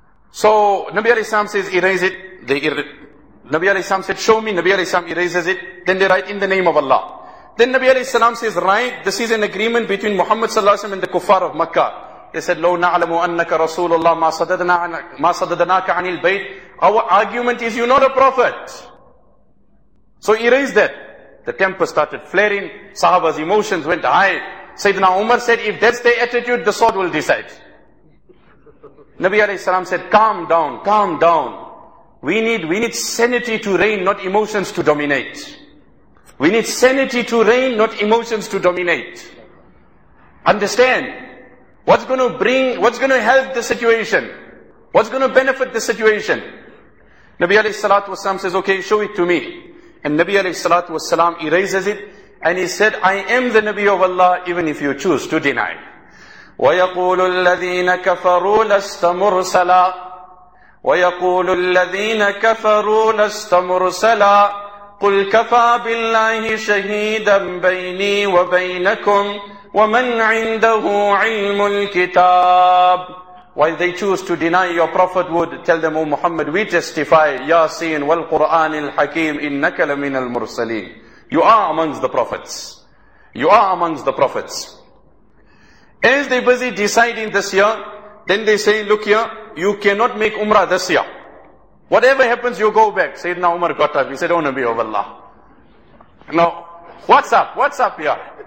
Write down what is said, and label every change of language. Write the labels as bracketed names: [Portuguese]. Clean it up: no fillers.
[English] So Nabi alayhi salam says, erase it. Nabi alayhi salam said, show me. Nabi alayhi salam erases it. Then they write in the name of Allah. Then Nabi alayhi salam says, write, this is an agreement between Muhammad sallallahu alayhi wa sallam and the kuffar of Makkah. They said, [Arabic] لو نعلم أنك رسول الله ما صددناك عن البيت. [English] Our argument is, you're not a prophet. So erase that. The temper started flaring. Sahaba's emotions went high. Sayyidina Umar said, if that's their attitude, the sword will decide. Nabi alayhi salam said, calm down, calm down. We need sanity to reign, not emotions to dominate. We need sanity to reign, not emotions to dominate. Understand? What's going to help the situation? What's going to benefit the situation? Nabi alayhi salatu wasalam says, okay, show it to me. And Nabi alayhi salatu wasalam erases it. And he said, I am the Nabi of Allah, even if you choose to deny. [Arabic] وَيَقُولُ الَّذِينَ كَفَرُوا لَسْتَ مُرْسَلًا وَيَقُولُ الَّذِينَ كَفَرُوا لَسْتَ مُرْسَلًا قُلْ كَفَى بِاللَّهِ شَهِيدًا بَيْنِي وَبَيْنَكُمْ وَمَنْ عِنْدَهُ عِلْمُ الْكِتَابِ [English] While they choose to deny, your prophet would tell them, O Muhammad, we testify, [Arabic] Yasin والقرآن الحكيم إِنَّكَ لَمِنَ الْمُرْسَلِينَ [English] You are amongst the prophets. You are amongst the prophets. As they busy deciding this year, then they say, look here, you cannot make Umrah this year. Whatever happens, you go back. Sayyidina Umar got up. He said, O Nabi of Allah. No. What's up? What's up here?